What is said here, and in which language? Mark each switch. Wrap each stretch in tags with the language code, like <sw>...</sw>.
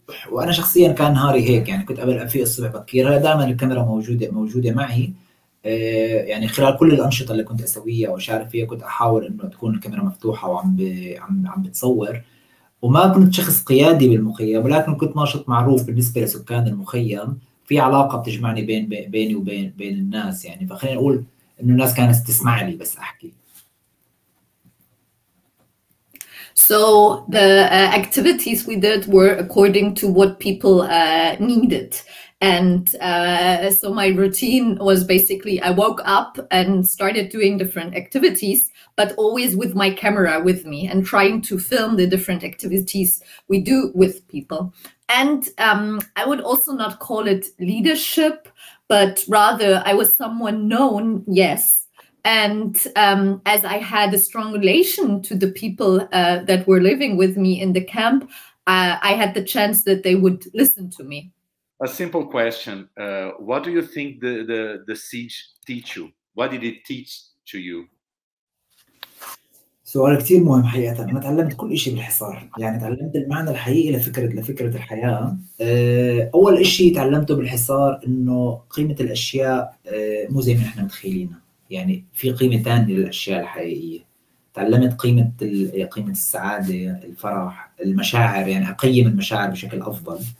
<ar>وأنا شخصيا كان نهاري هيك، يعني كنت قبل أفيق الصبح بكير، دائما الكاميرا موجودة معي، يعني خلال كل الأنشطة اللي كنت أسويها وشارك فيها كنت أحاول إنه تكون الكاميرا مفتوحة وعم بتصور. وما كنت شخص قيادي بالمخيم، ولكن كنت ناشط معروف بالنسبة لسكان المخيم، في علاقة بتجمعني بيني وبين الناس، يعني فخلينا نقول إنه الناس كانت تسمع لي بس أحكي.</ar> <en>So the activities we did were according to what people needed. And so my routine was basically I woke up and started doing different activities, but always with my camera with me and trying to film the different activities we do with people. And I would also not call it leadership, but rather I was someone known, yes. And as I had a strong relation to the people that were living with me in the camp, I had the chance that they would listen to me. A simple question. What do you think the siege teach you? What did it teach to you?</en> <ar>سؤال كتير مهم حقيقة. أنا تعلمت كل إشي بالحصار، يعني تعلمت المعنى الحقيقي لفكرة الحياة. أول إشي تعلمته بالحصار إنه قيمة الأشياء مو زي ما إحنا متخيلينها. يعني في قيمة تانية للأشياء الحقيقية. تعلمت قيمة السعادة، الفرح، المشاعر، يعني أقيم المشاعر بشكل أفضل.</ar>